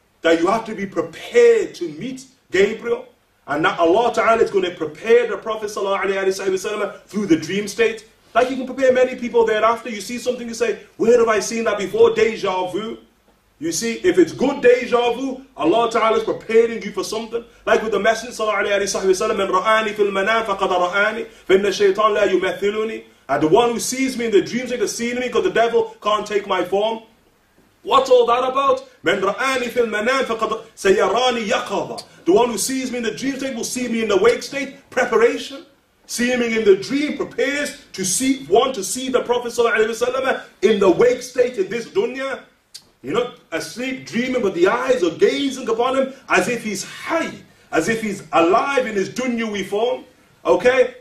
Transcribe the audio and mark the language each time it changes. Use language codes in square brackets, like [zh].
[en] That you have to be prepared to meet Gabriel. And that Allah Ta'ala is going to prepare the Prophet ﷺ through the dream state. Like you can prepare many people thereafter. You see something, you say, where have I seen that before? Deja vu. You see, if it's good deja vu, Allah Ta'ala is preparing you for something. Like with the Messenger sallallahu alayhi wa sallam, [ar] من رآني في المنام فقد رآني فإن الشيطان لا يمثلني. [en] And the one who sees me in the dreams, they've seen me because the devil can't take my form. What's all that about? [ar] من رآني في المنام فقد سيراني يقظة. [en] The one who sees me in the dream state will see me in the wake state. Preparation. Seeing in the dream prepares to see, want to see the Prophet sallallahu alayhi wa sallam in the wake state in this dunya. You're not asleep, dreaming, but the eyes are gazing upon him as if he's high, as if he's alive in his dunyawi form. Okay?